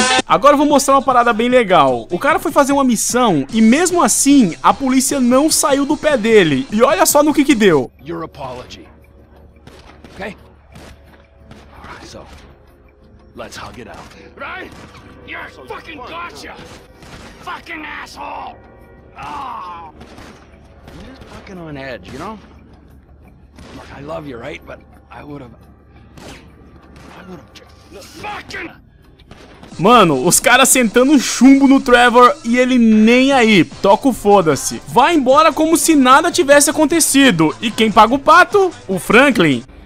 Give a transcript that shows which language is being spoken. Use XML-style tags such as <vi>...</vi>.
<pt>Agora eu vou mostrar uma parada bem legal. O cara foi fazer uma missão e mesmo assim a polícia não saiu do pé dele. E olha só no que deu.</pt> <en>Your apology. Okay? Alright, so let's hug it out. Right? You're fucking gotcha! Fucking asshole! Ah! You're fucking on edge, you know? Look, I love you, right? But I would have fucking!</en> <pt>Mano, os caras sentando chumbo no Trevor e ele nem aí, toca o foda-se. Vai embora como se nada tivesse acontecido. E quem paga o pato? O Franklin.</pt>